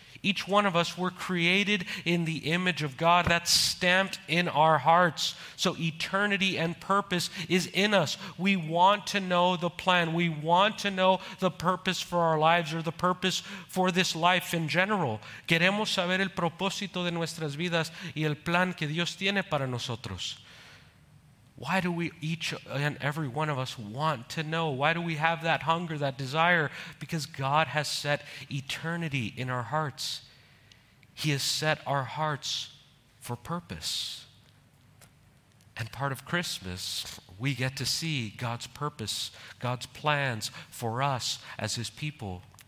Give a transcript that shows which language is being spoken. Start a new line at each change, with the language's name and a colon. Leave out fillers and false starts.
English: Each one of us were created in the image of God. That's stamped in our hearts. So eternity and purpose is in us. We want to know the plan. We want to know the purpose for our lives or the purpose for this life in general.
Spanish: Queremos saber el propósito de nuestras vidas y el plan que Dios tiene para nosotros.
English: Why do we, each and every one of us, want to know? Why do we have that hunger, that desire? Because God has set eternity in our hearts. He has set our hearts for purpose. And part of Christmas, we get to see God's purpose, God's plans for us as His people.